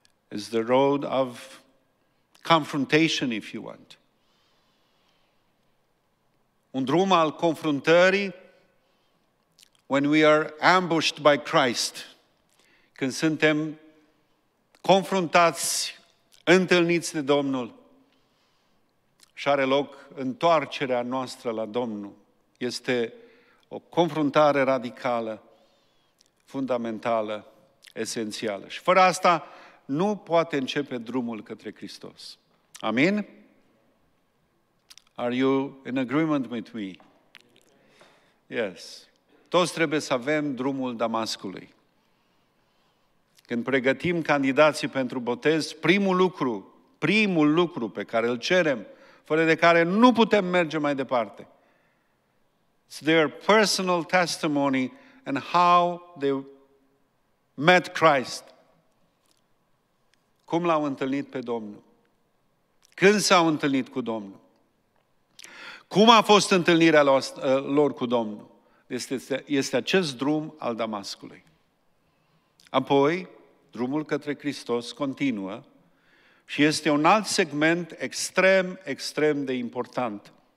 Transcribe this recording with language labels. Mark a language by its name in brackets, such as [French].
[English] It's the road of confrontation, if you want. [Romanian] Un drum al confruntării [English] when we are ambushed by Christ. [Romanian] Când suntem confruntați, întâlniți de Domnul. Și are loc întoarcerea noastră la Domnul. Este o confruntare radicală, fundamentală, esențială. Și fără asta nu poate începe drumul către Hristos. Amin? [English] Are you in agreement with me? Yes. [Romanian] Toți trebuie să avem drumul Damascului. Când pregătim candidații pentru botez, primul lucru pe care îl cerem, fără de care nu putem merge mai departe. [English] It's their personal testimony and how they met Christ. [Romanian] Cum l-au întâlnit pe Domnul? Când s-au întâlnit cu Domnul? Cum a fost întâlnirea lor cu Domnul? Este acest drum al Damascului. Apoi, drumul către Hristos continuă și este un alt segment extrem, extrem de important.